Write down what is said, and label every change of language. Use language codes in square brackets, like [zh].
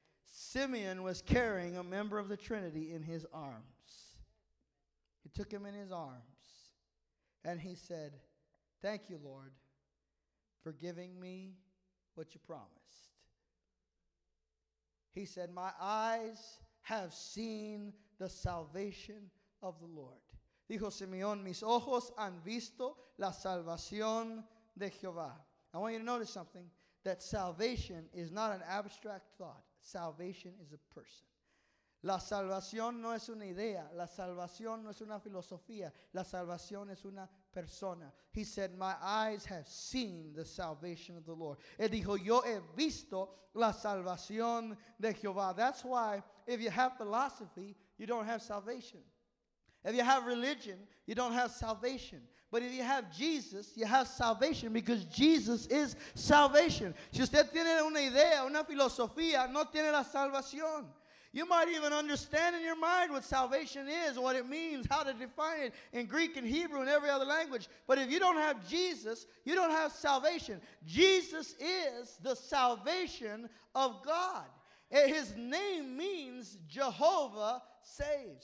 [en] Simeon was carrying a member of the Trinity in his arms. He took him in his arms. And he said, thank you, Lord, for giving me what you promised. He said, my eyes have seen the salvation of the Lord. [es] Dijo Simeón, mis ojos han visto la salvación de Jehová. [en] I want you to notice something, that salvation is not an abstract thought. Salvation is a person. [es] La salvación no es una idea. La salvación no es una filosofía. La salvación es una persona. [en] He said, my eyes have seen the salvation of the Lord. [es] Él dijo, yo he visto la salvación de Jehová. [en] That's why if you have philosophy, you don't have salvation. If you have religion, you don't have salvation. But if you have Jesus, you have salvation, because Jesus is salvation. [es] Si usted tiene una idea, una filosofía, no tiene la salvación. [en] You might even understand in your mind what salvation is, what it means, how to define it in Greek and Hebrew and every other language. But if you don't have Jesus, you don't have salvation. Jesus is the salvation of God. His name means Jehovah saves.